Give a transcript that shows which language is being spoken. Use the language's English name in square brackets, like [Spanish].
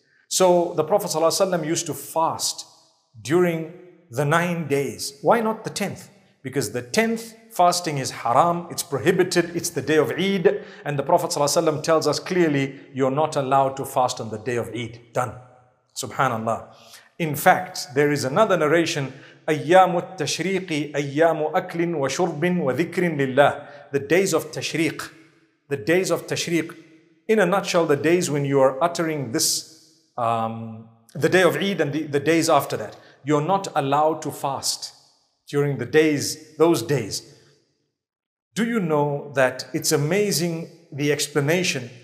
[English] So the Prophet ﷺ used to fast during the 9 days. Why not the 10th? Because the 10th fasting is haram, it's prohibited, it's the day of Eid. And the Prophet ﷺ tells us clearly, you're not allowed to fast on the day of Eid. Done. Subhanallah. In fact, there is another narration, [Arabic] أَيَّامُ التَّشْرِيقِ أَيَّامُ أَكْلٍ وَشُرْبٍ وَذِكْرٍ لِلَّهِ. [English] The days of Tashriq. The days of Tashriq. In a nutshell, the days when you are uttering this, the day of Eid and the days after that. You're not allowed to fast during the days, those days. Do you know that it's amazing the explanation?